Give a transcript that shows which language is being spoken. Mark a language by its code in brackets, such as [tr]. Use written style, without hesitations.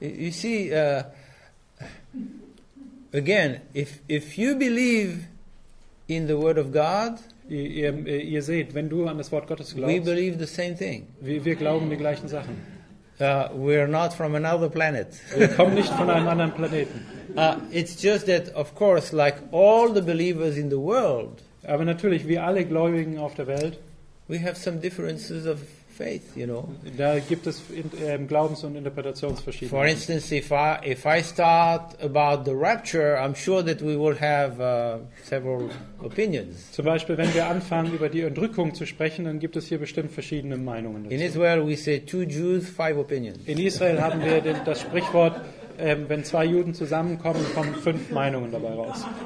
[en] You see, again, if you believe in the Word of God, [de] ihr seht, wenn du an das Wort Gottes glaubst, [en] we believe the same thing. [de] Wir glauben die gleichen Sachen. [en] We are not from another planet. [de] Wir kommen nicht von einem anderen Planeten. [en] It's just that, of course, like all the believers in the world, [de] aber natürlich wie alle Gläubigen auf der Welt, [en] we have some differences of faith, you know. [de] Da gibt es Glaubens- und Interpretationsverschiedenheiten. [en] For instance, if I start about the rapture, I'm sure that we will have several opinions. [de] Zum Beispiel, wenn wir anfangen, über die Entrückung zu sprechen, dann gibt es hier bestimmt verschiedene Meinungen dazu. [en] In Israel, we say two Jews, five opinions. [de] In Israel haben wir das Sprichwort, wenn zwei Juden zusammenkommen, kommen fünf Meinungen dabei raus.